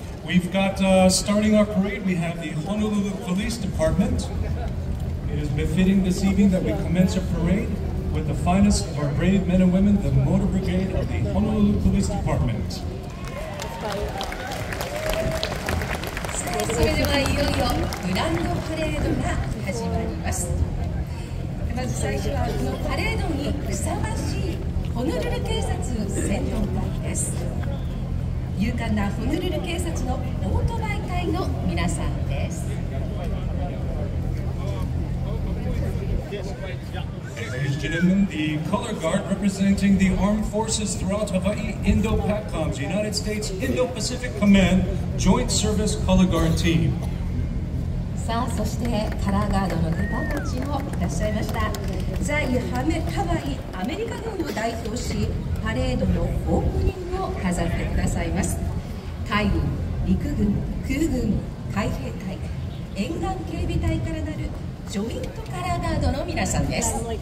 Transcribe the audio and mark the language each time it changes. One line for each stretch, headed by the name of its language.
English: We've got, starting our parade, we have the Honolulu Police Department. It is befitting this evening that we commence our parade with the finest of our brave men and women, the Motor Brigade of the Honolulu Police Department.
Japanese: それではいよいよグランドパレードが始まります。まず最初はこのパレードにふさわしいホノルル警察先導隊です。勇敢なホノルル警察のオートバイ隊の皆さんです。
English: Ladies and gentlemen, the color guard representing the armed forces throughout Hawaii, Indo-PACOMS, United States Indo-Pacific Command, Joint Service Color Guard Team.
Japanese: さあ、そしてカラーガードの方たちもいらっしゃいました。ザ・ユハメ・ハワイ、アメリカ軍を代表し、パレードのオープニングを飾ってくださいます。海軍、陸軍、空軍、海兵隊、沿岸警備隊からなるジョイントカラーガードの皆さんです。